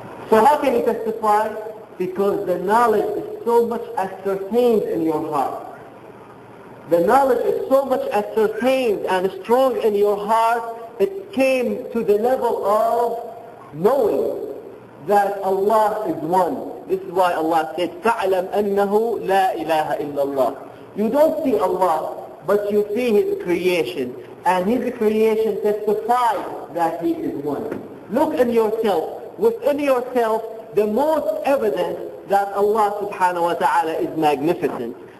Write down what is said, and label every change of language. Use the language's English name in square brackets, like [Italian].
[English] So how can you testify? Because the knowledge is so much ascertained in your heart. The knowledge is so much ascertained and strong in your heart, it came to the level of knowing that Allah is one. This is why Allah said, [Arabic] فَعْلَمْ أَنَّهُ لَا إِلَهَ إِلَّا اللَّهُ. [English] You don't see Allah, but you see His creation. And His creation testifies that He is one. Look in yourself. Within yourself, the most evidence that Allah subhanahu wa ta'ala is magnificent.